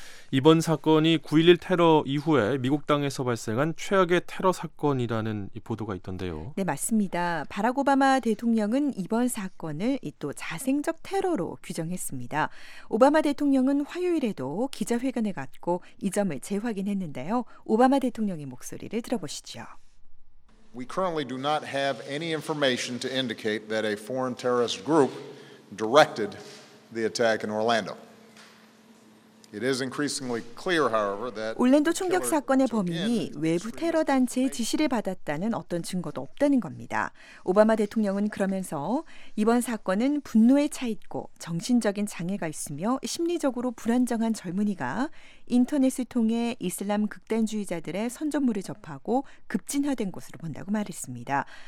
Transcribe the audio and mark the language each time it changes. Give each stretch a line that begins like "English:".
Korean: 이번 사건이 9.11 테러 이후에 미국 땅에서 발생한 최악의 테러 사건이라는 보도가 있던데요. 네, 맞습니다. 바락 오바마 대통령은 이번 사건을 또 자생적 테러로 규정했습니다. 오바마 대통령은 화요일에도 기자회견을 갖고 이 점을 재확인했는데요. 오바마 대통령의 목소리를 들어보시죠.
English: We currently do not have any information to indicate that a foreign terrorist group directed the attack in Orlando. It is increasingly clear, however, that
Korean: 올랜도 총격 사건의 범인이 외부 테러 단체의 지시를 받았다는 어떤 증거도 없다는 겁니다. 오바마 대통령은 그러면서 이번 사건은 분노에 차 있고 정신적인 장애가 있으며 심리적으로 불안정한 젊은이가 인터넷을 통해 이슬람 극단주의자들의 선전물을 접하고 급진화된 것으로 본다고 말했습니다.